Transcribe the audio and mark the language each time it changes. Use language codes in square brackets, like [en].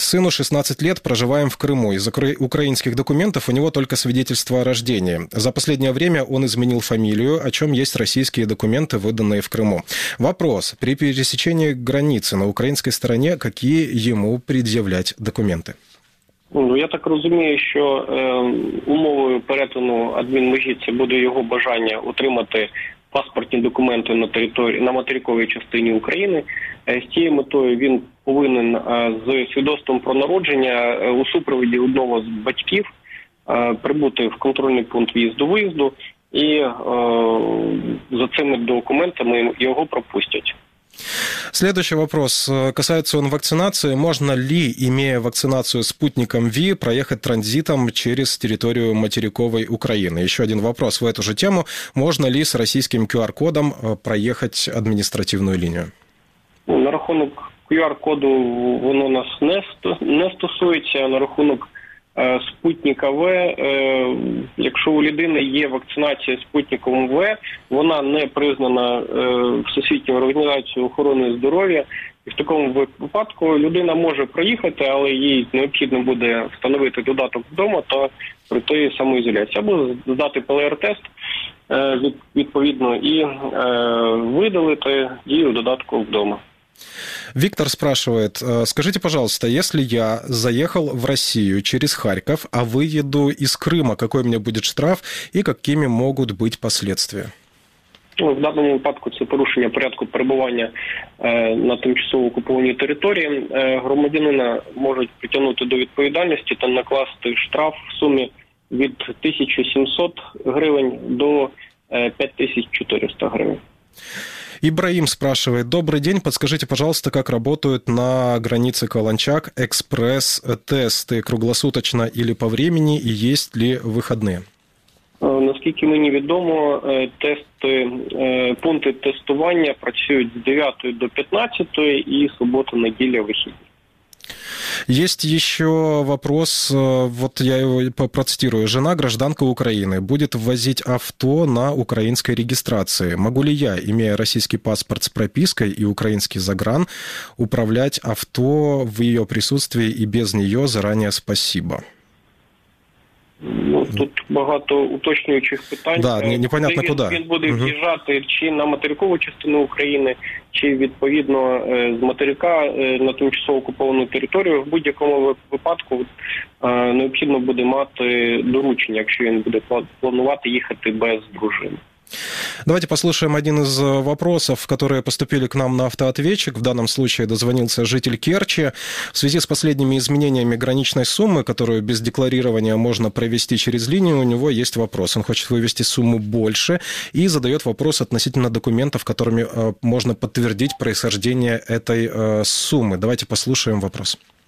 [ru] Сыну 16 лет, проживаем в Крыму. Из украинских документов у него только свидетельство о рождении. За последнее время он изменил фамилию, о чем есть российские документы, выданные в Крыму. Вопрос. При пересечении границы на украинской стороне, какие ему предъявлять документы? [uk] Ну, я так розумію, що умовою перетину адмінмежі це буде його бажання отримати паспортні документи на території на материковій частині України. З цією метою він повинен з свідоцтвом про народження у супроводі одного з батьків прибути в контрольний пункт в'їзду-виїзду, і за цими документами його пропустять. [ru] Следующий вопрос. Касается он вакцинации. Можно ли, имея вакцинацию спутником ВИ, проехать транзитом через территорию материковой Украины? Еще один вопрос в эту же тему. Можно ли с российским QR-кодом проехать административную линию? [uk] На рахунок QR-коду воно нас не стосується. На рахунок спутника В, якщо у людини є вакцинація спутником В, вона не признана Всесвітньою організацією охорони здоров'я. І в такому випадку людина може проїхати, але їй необхідно буде встановити додаток вдома та пройти самоізоляцію. Або здати ПЛР-тест відповідно і видалити дію додатку вдома. [ru] Виктор спрашивает, скажите, пожалуйста, если я заехал в Россию через Харьков, а выеду из Крыма, какой у меня будет штраф и какими могут быть последствия? Ну, в данном случае это порушение порядка пребывания на [uk] тимчасово окупованій території. Громадянина можуть притягнути до відповідальності та накласти штраф в сумі від 1700 гривень до 5400 гривень. [ru] Ибраим спрашивает. Добрый день. Подскажите, пожалуйста, как работают на границе Каланчак экспресс-тесты круглосуточно или по времени и есть ли выходные? [uk] Наскільки мені відомо, тести, пункти тестування працюють з 9 до 15 і субота, неділя, вихідні. [ru] Есть еще вопрос, вот я его процитирую. Жена гражданка Украины будет ввозить авто на украинской регистрации. Могу ли я, имея российский паспорт с пропиской и украинский загран, управлять авто в ее присутствии и без нее? Заранее спасибо. [uk] Ну, тут багато уточнюючих питань. [ru] Да, непонятно куда. [uk] Він буде в'їжджати чи на материкову частину України, чи відповідно з материка на тимчасово окуповану територію. В будь-якому випадку необхідно буде мати доручення, якщо він буде планувати їхати без дружини. [ru] Давайте послушаем один из вопросов, которые поступили к нам на автоответчик. В данном случае дозвонился житель Керчи. В связи с последними изменениями граничной суммы, которую без декларирования можно провести через линию, у него есть вопрос. Он хочет вывести сумму больше и задает вопрос относительно документов, которыми можно подтвердить происхождение этой суммы. Давайте послушаем вопрос.